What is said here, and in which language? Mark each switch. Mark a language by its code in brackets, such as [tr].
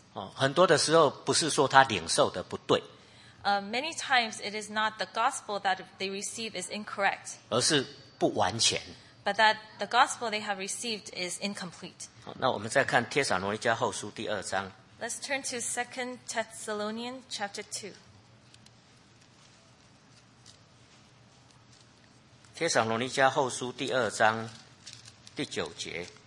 [zh] 哦，很多的时候不是说他领受的不对。 [en] Many times it is not the gospel that they receive is incorrect. [zh] 而是不完全。 [en] But that the gospel they have received is incomplete. [zh] 哦，那我们再看帖撒罗尼迦后书第二章。 [en] Let's turn to 2 Thessalonians chapter 2. [zh] 帖撒罗尼迦后书第二章第九节。